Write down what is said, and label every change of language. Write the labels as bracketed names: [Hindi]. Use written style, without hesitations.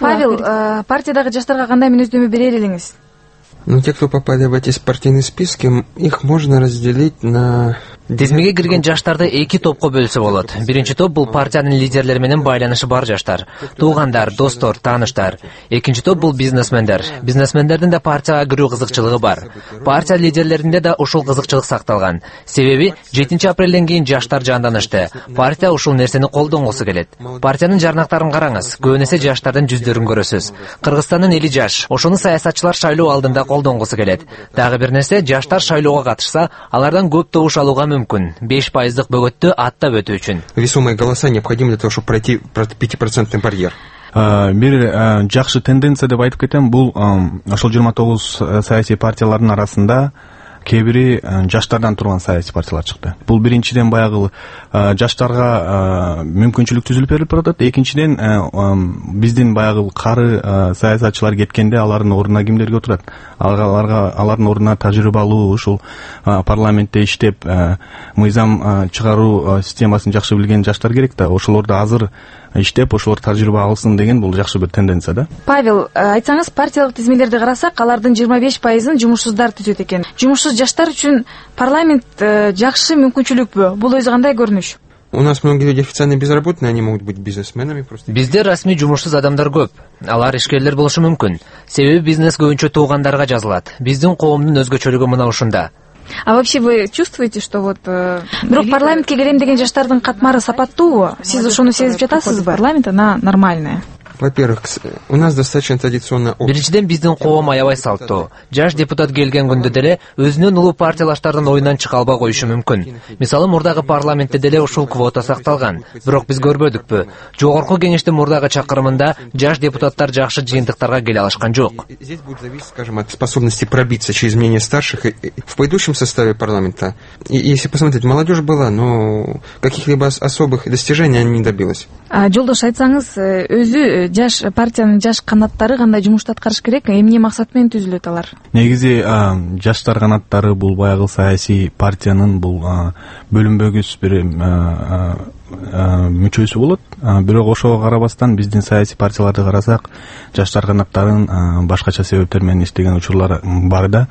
[Kyrgyz] Павел, партиядагы жаштарга кандай мүнөздөмө берер элеңиз? [Russian] Те, кто попали в эти партийные списки, их можно разделить на [Kyrgyz] Тизмеге кирген жаштарды эки топко бөлсө болот. Биринчи топ бул партиянын лидерлери менен байланышы бар жаштар. Туугандар, достор, тааныштар. Экинчи топ бул бизнесмендер. Бизнесмендердин да партияга кирүү кызыкчылыгы бар. Партия лидерлеринде да ушул кызыкчылык сакталган. Себеби 7 апрелден кийин жаштар жанданышты. Партия ушул нерсени колдонгосу келет. Партиянын жарнактарын караңыз, көбүнесе жаштардын жүздөрүн көрөсүз. Кыргызстандын эли жаш, ошону саясатчылар шайлоо алдында колдонгосу келет. Дагы бир нерсе, жаштар шайлоого катышса, алардан көп добуш алуу мүмкүн 5% бөгөттү аттап өтүү үчүн. [Russian] Весомые голоса необходимы для того, чтобы пройти 5% барьер. [Kyrgyz] Бир жакшы тенденция деп айтып кетем, бул ошол 29 саясий партиялардын арасында кээ бири жаштардан турган саясий партиялар чыкты. Бул биринчиден баягы жаштарга мүмкүнчүлүк түзүлүп берилип атат. Экинчиден биздин баягы кары саясатчылар кеткенде алардын ордуна кимдер отурат? Аларга алардын ордуна тажрыйбалуу ушул парламентте иштеп мыйзам чыгаруу системасын жакшы билген жаштар керек да. Ошолорду азыр иштеп, ошолор тажрыйба алсын деген бул жакшы бир тенденция да. Павел, айтсаңыз, партиялык тизмелерди карасак, алардын 25% жумушсуздар түзөт экен. Жумушсуз жаштар үчүн парламент жакшы мүмкүнчүлүкпү? Бул өзү кандай көрүнүш? [Russian] У нас многие люди официально безработные, они могут быть бизнесменами просто. [Kyrgyz] Бизде расмий жумушсуз адамдар көп. Алар ишкерлер болушу мүмкүн. Себеби бизнес көбүнчө туугандарга жазылат. Биздин коомдун өзгөчөлүгү мына ушунда. [Russian] А вообще вы чувствуете, что вот... [Kyrgyz] Бирок парламентке келем деген жаштардын катмары сапаттуубу? Сиз ошону сезип жатасызбы? [Russian] Парламент, она нормальная. Во-первых, у нас достаточно традиционное общество. [Kyrgyz] Биринчиден биздин коом аябай салттуу. Жаш депутат келген күндө деле өзүнүн улуу партиялаштардын оюнан чыга албай коюшу мүмкүн. Мисалы, мурдагы парламентте деле ушул квота сакталган. Бирок биз көрбөдүкпү? Жогорку кеңештин мурдагы чакырымында жаш депутаттар жакшы жыйынтыктарга келе алышкан жок. [Russian] Здесь будет зависеть, скажем, от способности пробиться через мнение старших в пойдущем составе парламента. Если посмотреть, молодежь была, но каких-либо особых достижений она не добилась. [Kyrgyz] Жолдош, айтсаңыз, өзү жаш партиянын жаш канаттары кандай жумушту аткарыш керек? Эмне максат менен түзүлөт алар? Негизи жаштар канаттары бул баягы саясий партиянын бул бөлүнбөгүс бир мүчөсү болот. Бирок ошого карабастан биздин саясий партияларды карасак, жаштар канаттарын башкача себептер менен иштеген учурлар бар да.